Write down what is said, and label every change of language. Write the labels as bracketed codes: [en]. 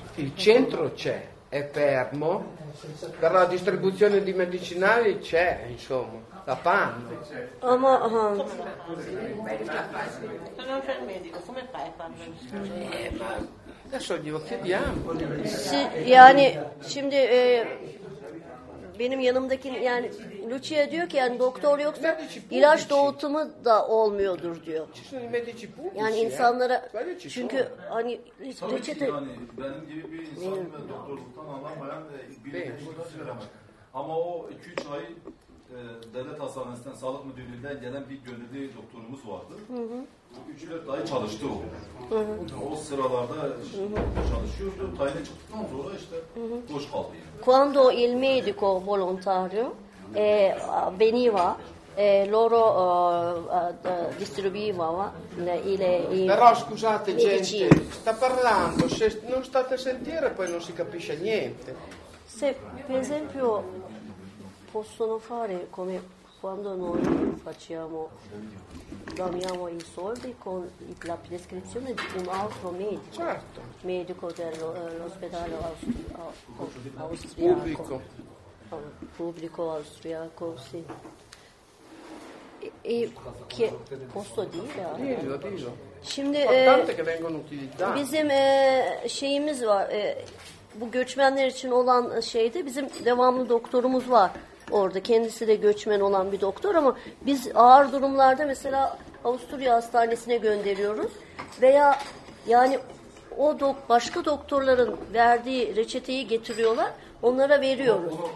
[it] Il centro c'è, è fermo, per la distribuzione di medicinali c'è, insomma, la PAN. Non c'è il medico, come fai a parlare? Adesso glielo chiediamo. [tr] Sì, yani, şimdi, benim yanımdaki yani Lucia diyor ki yani doktor yoksa ilaç dağıtımı da olmuyordur diyor. Yani insanlara çünkü hani reçete yani benim gibi bir insan doktorluktan alamayan bir teşhisi veremez. Ama o 2-3 ay devlet hastanesinden sağlık müdürlüğünden gelen bir gönüllü doktorumuz vardı. Hı hı. 3-4 ay çalıştı o. Hı hı. O sıralarda işte çalışıyordu. Tayine çıktıktan sonra işte boş kaldı. Yani. [it] Quando il medico volontario veniva, loro distribuivano i però scusate medicine. Gente, sta parlando, se non state a sentire poi non si capisce niente. Se per esempio possono fare come quando noi facciamo, damiamo i soldi con la prescrizione di un altro medico, certo. Medico dell'ospedale austriaco, pubblico austriaco, sì. E che posso dire? Dillo. Tante che vengono utilizzate. [tr] Bizim şeyimiz var, bu göçmenler için olan şeyde bizim devamlı doktorumuz var. Orada kendisi de göçmen olan bir doktor ama biz ağır durumlarda mesela Avusturya Hastanesi'ne gönderiyoruz veya yani o başka doktorların verdiği reçeteyi getiriyorlar, onlara veriyoruz.